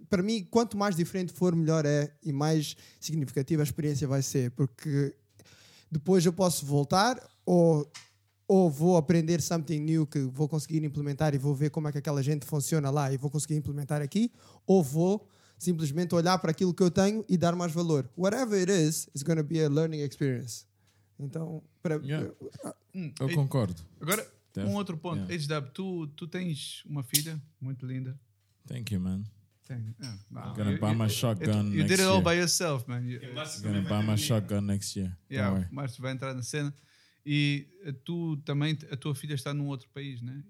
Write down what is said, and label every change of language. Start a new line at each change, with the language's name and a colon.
Portuguese: Para mim, quanto mais diferente for, melhor é e mais significativa a experiência vai ser. Porque depois eu posso voltar ou vou aprender
English: something new
Portuguese: que vou conseguir implementar e vou ver como é que aquela gente funciona lá e vou conseguir implementar aqui. Ou vou simplesmente olhar para aquilo que eu tenho e dar mais valor.
English: Whatever it is, it's going to be a learning experience.
Portuguese: Então, para... Eu concordo. Agora, um outro ponto. HW, tu tens uma filha muito linda.
English: Thank you, man. I'm gonna buy my shotgun. You did it all by yourself, man. I'm gonna buy my shotgun next year.
Portuguese: Yeah, o Márcio vai entrar na cena. E tu também, a tua filha está num outro país, né?